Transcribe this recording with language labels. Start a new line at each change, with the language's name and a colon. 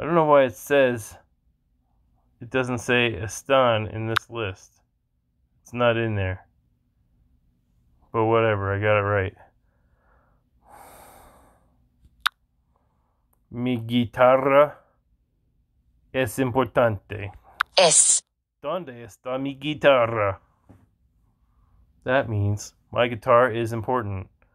English: why it says it doesn't say Estan in this list. It's not in there. But whatever, I got it right.
Spanish: Mi guitarra es importante. Es. ¿Dónde está mi guitarra?
English: That means my guitar is important.